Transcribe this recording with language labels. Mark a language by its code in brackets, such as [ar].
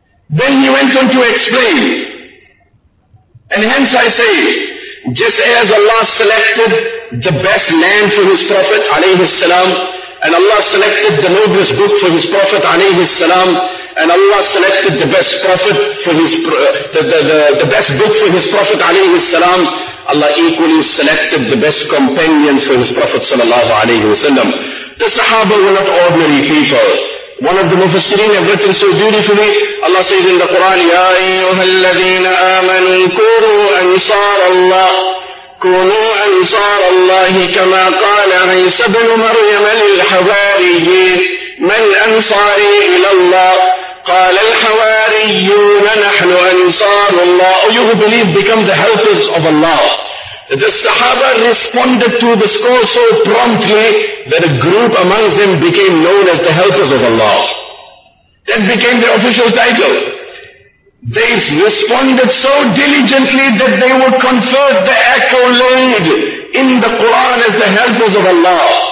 [en] Then he went on to explain. And hence I say, just as Allah selected the best land for His Prophet, alayhi salam, and Allah selected the noblest book for His Prophet, alayhi salam, and Allah selected the best Prophet for His, the best book for His Prophet, alayhi salam, Allah equally selected the best companions for His Prophet, sallallahu alayhi wasallam. The Sahaba were not ordinary people. One of the Mufassirin have written so beautifully, [ar] Allah says in the Quran, يَا أَيُّهَا الَّذِينَ آمَنُوا كُونُوا أَنصَارَ اللَّهِ كُونُوا أَنصَارَ اللَّهِ كَمَا قَالَ عِيسَى ابْنُ مَرْيَمَ لِلْحَوَارِيِّينَ مَنْ أَنصَارِي إِلَى اللَّهِ قَالَ الْحَوَارِيُّونَ نَحْنُ أَنصَارُ اللَّهِ [en] Oh, you who believe, become the helpers of Allah. The Sahaba responded to this call so promptly that a group amongst them became known as the helpers of Allah. That became their official title. They responded so diligently that they were conferred the accolade in the Quran as the helpers of Allah.